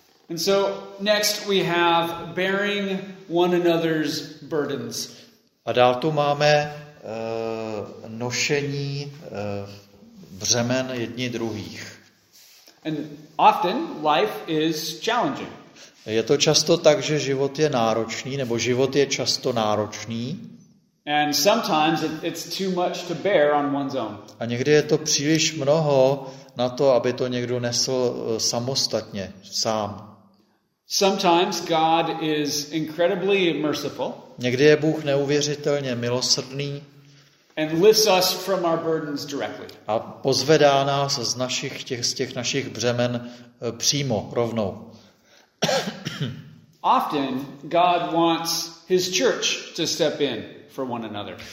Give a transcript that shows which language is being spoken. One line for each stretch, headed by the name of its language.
English: And so next we have bearing one another's burdens.
Czech: A dál tu máme nošení břemen jedni druhých.
English: And often life is challenging.
Czech: Je to často tak, že život je náročný, nebo život je často náročný.
English: And sometimes it's too much to bear on one's own.
Czech: A někdy je to příliš mnoho na to, aby to někdo nesl samostatně, sám.
English: Sometimes God is incredibly merciful.
Czech: Někdy je Bůh neuvěřitelně milosrdný.
English: And lifts us from our burdens directly.
Czech: A pozvedá nás z našich těch našich břemen přímo, rovnou.
English: Often God wants his church to step in for one another.